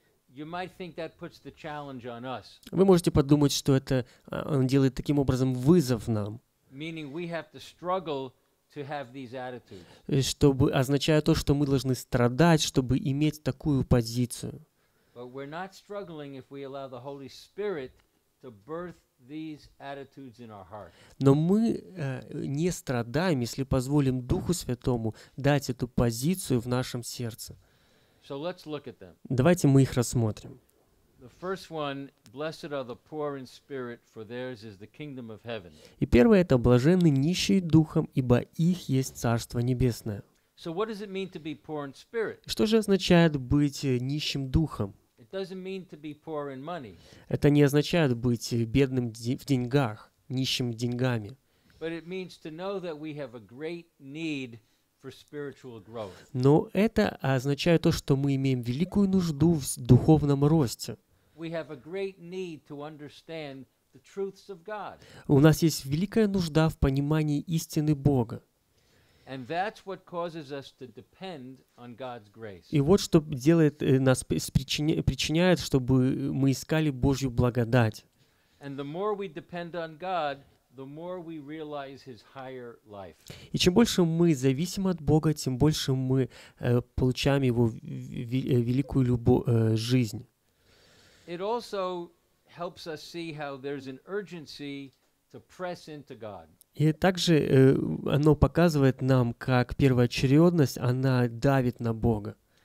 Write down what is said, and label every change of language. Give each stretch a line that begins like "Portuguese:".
English: You might think that puts the challenge on us.
Russian: Вы можете подумать, что это он делает таким образом вызов нам.
English: Meaning we have to struggle to have these attitudes.
Russian: Чтобы означает то, что мы должны страдать, чтобы иметь такую позицию.
English: But we're not struggling if we allow the Holy Spirit to birth these attitudes in our heart.
Russian: Но мы не страдаем, если позволим Духу Святому дать эту позицию в нашем сердце.
English: So let's look at them.
Russian: Давайте мы их рассмотрим.
English: The first one, blessed are the poor in spirit, for theirs is the kingdom of heaven.
Russian: И первое это блаженны нищие духом, ибо их есть Царство Небесное.
English: So what does it mean to be poor in spirit?
Russian: Что же означает быть нищим духом?
English: It doesn't mean to be poor in money.
Russian: Это не означает быть бедным в деньгах, нищим деньгами.
English: But it means to know that we have a great need for spiritual growth.
Russian: Но это означает то, что мы имеем великую нужду в духовном росте.
English: We have a great need to understand the truths of God.
Russian: У нас есть великая нужда в понимании истины Бога.
English: And that's what causes us to depend on God's grace.
Russian: И вот что делает нас причиняет, чтобы мы искали Божью благодать.
English: And the more we depend on God, the more we realize His higher life.
Russian: И чем больше мы зависим от Бога, тем больше мы получаем Его великую любовь, жизнь.
English: It also helps us see how there's an urgency to press into God.
Russian: И также оно показывает нам, как первоочередность, она давит на Бога.